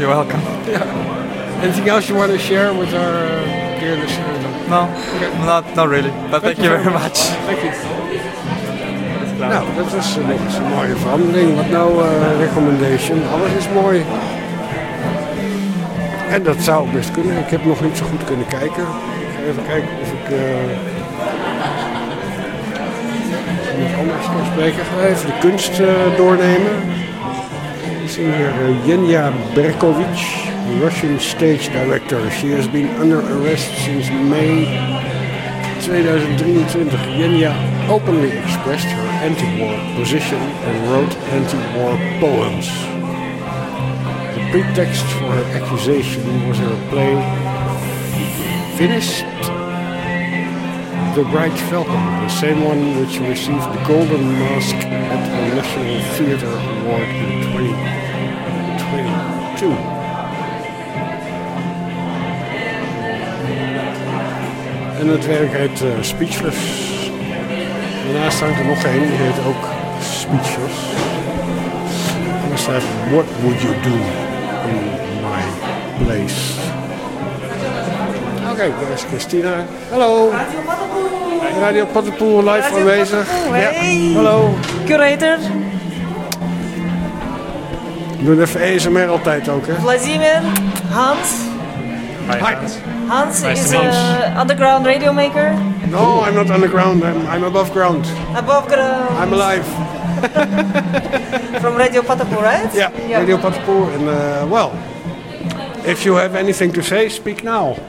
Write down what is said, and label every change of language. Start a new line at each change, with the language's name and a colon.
English: You're welcome. Yeah. Anything else you want to share with our dear listeners? No, okay. not really, but thank you very much. Thank you. That was a
Dutch: mooie verandering,
English: but no recommendation.
Dutch: Alles is mooi. En dat zou best kunnen. Ik heb nog niet zo goed kunnen kijken. Even kijken of ik iets anders kan spreken. Ik ga even de kunst doornemen. We zien hier Jenya Berkovic,
English: Russian stage director. She has been under arrest since May 2023. Jenya openly expressed her anti-war position and wrote anti-war poems. The pretext for her accusation was her play Finished The Bright Falcon, the same one which received the Golden Mask at the National Theatre Award in 2022.
Dutch: En het werk heet Speechless. Daarnaast hangt er nog een, die heet ook Speechless. En dan staat,
English: what would you do in my place?
Dutch: Kijk, daar is Christina. Hallo. Radio Pattenpoel. Radio Pattenpoel, live aanwezig. Hey. Ja. Hallo. Curator. We doen even ASMR altijd ook, hè. Vladimir, Hans.
English: Hi. Hans is an underground radio maker. No, I'm not underground. I'm above ground. Above ground. I'm alive. From Radio Pattenpoel, right? Yeah, Radio Pattenpoel. And, well, If you have anything to say, speak now.